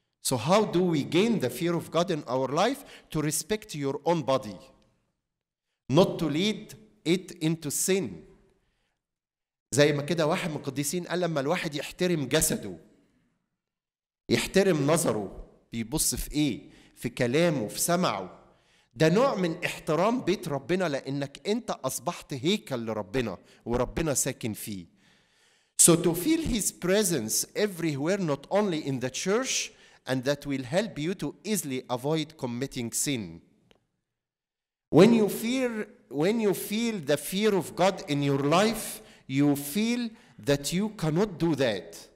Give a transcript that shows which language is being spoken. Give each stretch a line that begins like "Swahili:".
English: So how do we gain the fear of God in our life? To respect your own body, not to lead it into sin.
Arabic: زي ما كده واحد من القديسين قال, لما الواحد يحترم جسده, يحترم نظره, بيبص في ايه, في كلامه, في سمعه, ده نوع من احترام بيت ربنا, لانك انت اصبحت هيكل لربنا وربنا ساكن فيه.
English: So to feel his presence everywhere, not only in the church, and that will help you to easily avoid committing sin. When you feel the fear of God in your life, you feel that you cannot do that.